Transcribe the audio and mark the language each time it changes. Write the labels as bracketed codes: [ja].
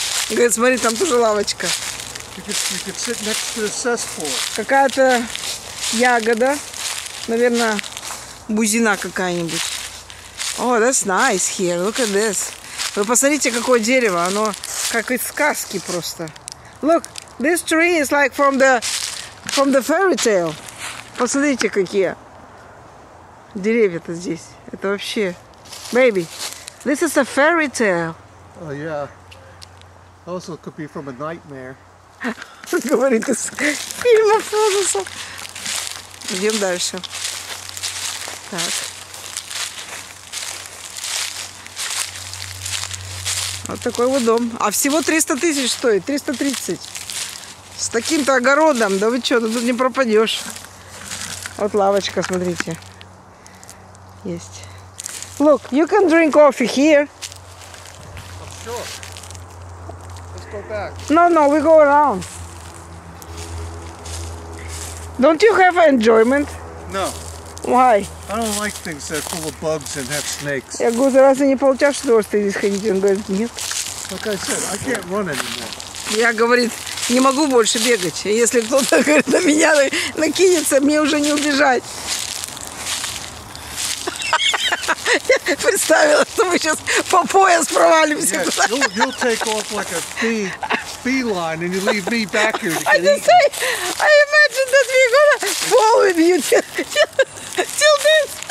[ru] Он говорит, смотри, там тоже лавочка. [en] You could sit next to the cesspool. [ru] Какая-то ягода. Наверное, бузина какая-нибудь. [en] Oh, that's nice here. Look at this. [ru] Вы посмотрите, какое дерево. Оно как из сказки просто. [en] Look, this tree is like from the fairy tale. [ru] Посмотрите, какие деревья-то здесь. Это вообще... [en] Baby, this is a fairy tale. Oh, yeah. Also, it could be from a nightmare. [ru] Говорит из фильма ужаса. Идем дальше. Так. Вот такой вот дом. А всего 300 тысяч стоит, 330. С таким-то огородом, да вы что, ты тут не пропадешь. Вот лавочка, смотрите. Есть. [en] Look, you can drink coffee here. Oh, sure. Let's go back. No, we go around. Don't you have enjoyment? No. Why? I don't like things that are full of bugs and have snakes. [ru] Я говорю, разве не получаешь удовольствие здесь ходить? Он говорит, нет. [en] Like I said, I can't run anymore. [ru] Я, говорит, не могу больше бегать. Если кто-то, говорит, на меня накинется, мне уже не убежать. Я представила, что мы сейчас по пояс провалимся. [en] Yes, you'll take off like a feline and you leave me back here to get eaten. I imagine that we're gonna fall with you till this.